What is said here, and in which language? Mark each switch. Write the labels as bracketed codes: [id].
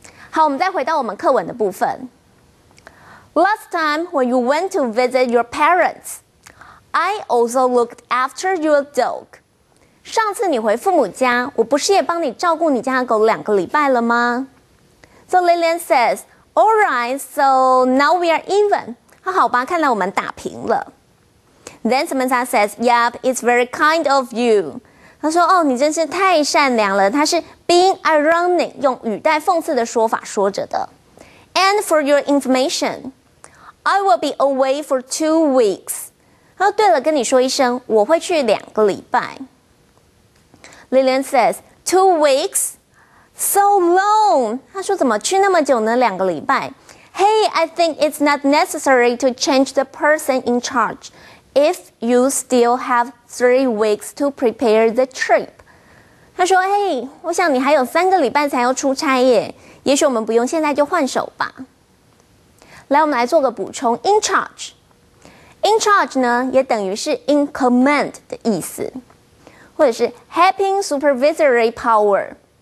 [zh] 好，我们再回到我们课文的部分。 [en] Last time when you went to visit your parents,I also looked after your dog. [zh] 上次你回父母家，我不是也帮你照顾你家的狗两个礼拜了吗？ [en] So Lillian says, "All right, so now we are even." [zh] 那好吧，看来我们打平了。 [en] Then Samantha says, "Yep, it's very kind of you." [zh] 她说，哦，你真是太善良了。她是 [en] being ironic， [zh] 用语带讽刺的说法说着的。 [en] And for your information, I will be away for 2 weeks. [zh] 哦，对了，跟你说一声，我会去两个礼拜。 [en] Lillian says, 2 weeks? So long! [zh] 她说怎么去那么久呢？两个礼拜。 [en] Hey, I think it's not necessary to change the person in charge if you still have 3 weeks to prepare the trip. [zh] 她说，嘿，我想你还有3个礼拜才要出差耶，也许我们不用现在就换手吧。来，我们来做个补充 ,in charge. In charge 呢，也等于是 [en] in command [zh] 的意思，或者是 [en] having supervisory power。